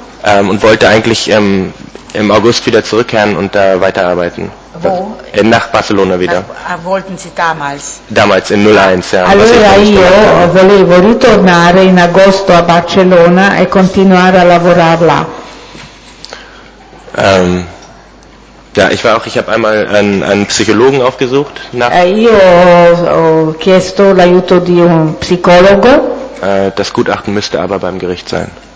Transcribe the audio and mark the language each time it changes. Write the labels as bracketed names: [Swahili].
[German] Und wollte eigentlich im August wieder zurückkehren und da weiterarbeiten. Wo? Nach Barcelona wieder. Wollten Sie damals? Damals, in 01, ja. [Italian] Allora io volevo ritornare in agosto a Barcellona e continuare a lavorare là. [German] Ich habe einmal einen Psychologen aufgesucht. [Italian] Io ho chiesto l'aiuto di un psicologo. [German] Das Gutachten müsste aber beim Gericht sein.